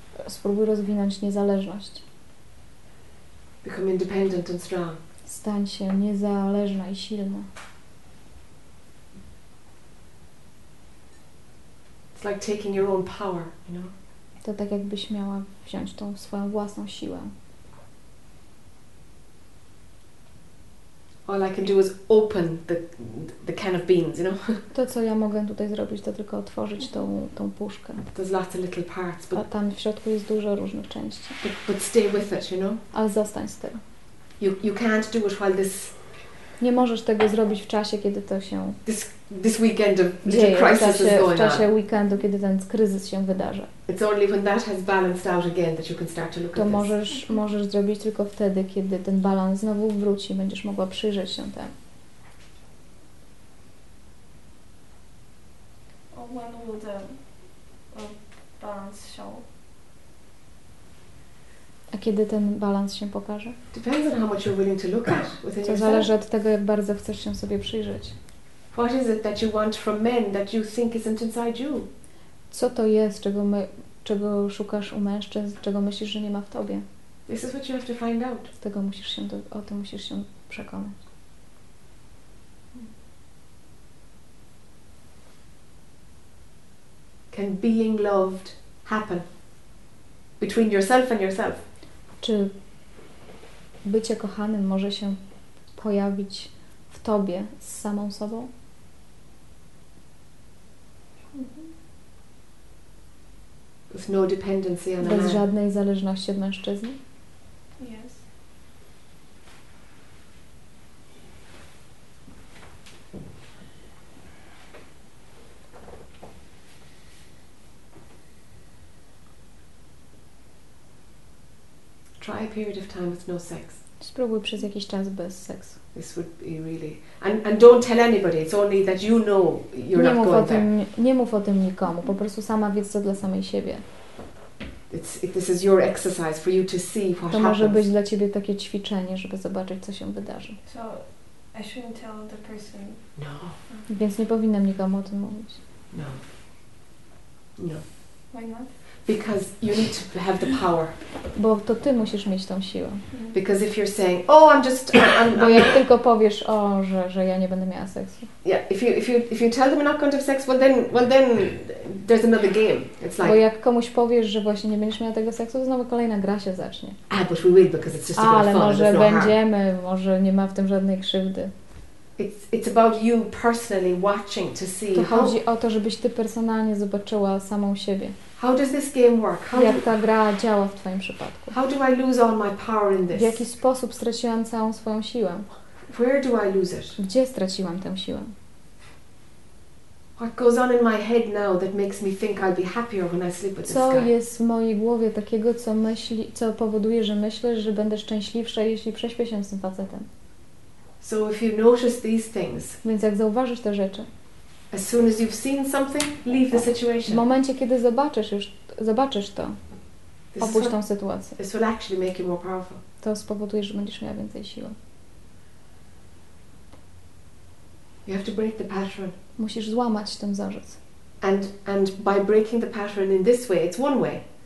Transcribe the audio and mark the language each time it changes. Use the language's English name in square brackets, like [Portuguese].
[Polish] Spróbuj rozwinąć niezależność. [English] Become independent and strong. [Polish] Stań się niezależna i silna. [English] It's like taking your own power, you know? [Polish] To tak jakbyś miała wziąć tą swoją własną siłę. [English] All I can do is open the can of beans, you know? [Polish] To co ja mogę tutaj zrobić, to tylko otworzyć tą puszkę. [English] There's lots of little parts, but [Polish] a tam w środku jest dużo różnych części. [English] But stay with it, you know? [Polish] Ale zostań z tym. [English] You can't do it while this. [Polish] Nie możesz tego zrobić w czasie, kiedy to się. [English] This weekend of little crisis is going on. [Polish] W czasie weekendu, kiedy ten kryzys się wydarzy. [English] It's only when that has balanced out again that you can start to look at this. [Polish] To możesz zrobić tylko wtedy, kiedy ten balans znowu wróci, będziesz mogła przyjrzeć się temu. [English] When will the balance show? [Polish] A kiedy ten balans się pokaże? [English] Depends on how much you're willing to look at within yourself. [Polish] To zależy od tego, jak bardzo chcesz się sobie przyjrzeć. [English] What is it that you want from men that you think isn't inside you? [Polish] Co to jest, czego szukasz u mężczyzn, czego myślisz, że nie ma w tobie? [English] This is what you have to find out. [Polish] Tego musisz się o tym musisz się przekonać. [English] Can being loved happen between yourself and yourself? [Polish] Czy bycie kochanym może się pojawić w tobie z samą sobą? [English] With no dependency on a man. [Polish] Bez żadnej zależności od mężczyzny? [English] Yes. Try a period of time with no sex. [Polish] Spróbuj przez jakiś czas bez seksu. [English] This would be really. And don't tell anybody. It's only that you know you're not going there. [Polish] Nie mów o tym nikomu. Po prostu sama wiedz to dla samej siebie. [English] This is your exercise for you to see what happens. [Polish] To może być dla ciebie takie ćwiczenie, żeby zobaczyć, co się wydarzy. [English] So I shouldn't tell the person. No. [Polish] Więc nie powinnam nikomu o tym mówić. [English] No. No. Why not? Because you need to have the power. [Polish] Bo to ty musisz mieć tą siłę. [English] Because if you're saying, oh, I'm just, [Polish] bo jak tylko powiesz, o, że ja nie będę miała seksu. [English] Yeah, if you tell them you're not going to have sex, well then there's another game. It's like. [Polish] Bo jak komuś powiesz, że właśnie nie będziesz miała tego seksu, to znowu kolejna gra się zacznie. [English] Ah, but we will because it's just about fun. [Polish] Ale może będziemy, może nie ma w tym żadnej krzywdy. [English] It's about you personally watching to see. [Polish] To chodzi o to, żebyś ty personalnie zobaczyła samą siebie. [English] How does this game work? [Polish] Jak ta gra działa w twoim przypadku? [English] How do I lose all my power in this? [Polish] W jaki sposób straciłam całą swoją siłę? [English] Where do I lose it? [Polish] Gdzie straciłam tę siłę? [English] What goes on in my head now that makes me think I'll be happier when I sleep with this guy? [Polish] Co jest w mojej głowie takiego, co powoduje, że myślę, że będę szczęśliwsza, jeśli prześpię się z tym facetem? [English] So if you notice these things. [Polish] Więc jak zauważysz te rzeczy. [English] As soon as you've seen something, leave the situation. [Polish] W momencie, kiedy zobaczysz to, opuść tą sytuację. [English] This will actually make you more powerful. [Polish] To spowoduje, że będziesz miała więcej siły. [English] You have to break the pattern. [Polish] Musisz złamać ten wzorzec. [English] And by breaking the pattern in this way, it's one way.